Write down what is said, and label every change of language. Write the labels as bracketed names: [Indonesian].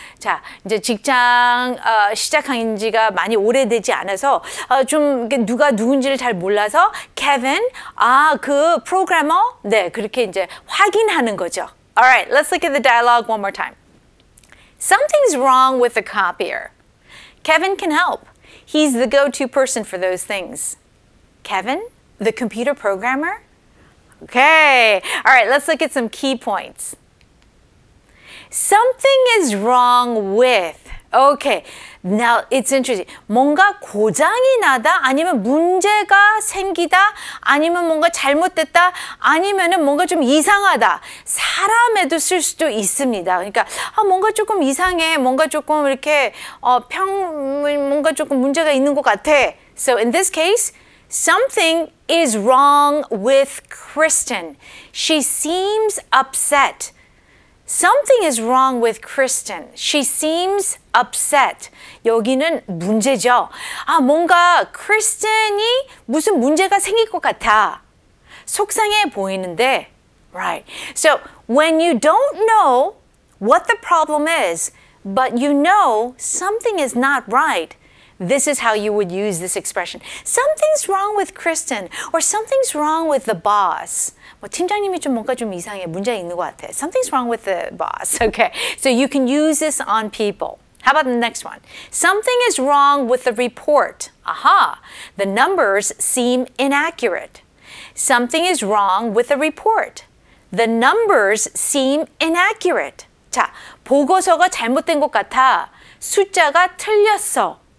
[Korean] 자, 이제 직장 시작한 지가 많이 오래되지 않아서 좀 누가 누군지를 잘 몰라서 Kevin, 아, 그 프로그래머? 네, 그렇게 이제 확인하는 거죠. [English] All right, let's look at the dialogue one more time. Something's wrong with the copier. Kevin can help. He's the go-to person for those things. Kevin, the computer programmer? Okay. All right, let's look at some key points. Something is wrong with. Okay. Now, it's interesting. [Korean] 뭔가 고장이 나다, 아니면 문제가 생기다, 아니면 뭔가 잘못됐다, 아니면은 뭔가 좀 이상하다. 사람에도 쓸 수도 있습니다. 그러니까, 아, 뭔가 조금 이상해. 뭔가 조금 이렇게, 뭔가 조금 문제가 있는 것 같아. [English] So, in this case, something is wrong with Kristen. She seems upset. Something is wrong with Kristen. She seems upset. [Korean] 여기는 문제죠. 아, 뭔가 Kristen이 무슨 문제가 생길 것 같아. 속상해 보이는데. Right. [English] So, when you don't know what the problem is, but you know something is not right, this is how you would use this expression. Something's wrong with Kristen or something's wrong with the boss. [Korean] 팀장님이 좀 뭔가 좀 이상해. 문제 있는 것 같아. [English] Something's wrong with the boss. Okay. So you can use this on people. How about the next one? Something is wrong with the report. Aha. The numbers seem inaccurate. Something is wrong with the report. The numbers seem inaccurate. [Korean] 자, 보고서가 잘못된 것 같아. 숫자가 틀렸어.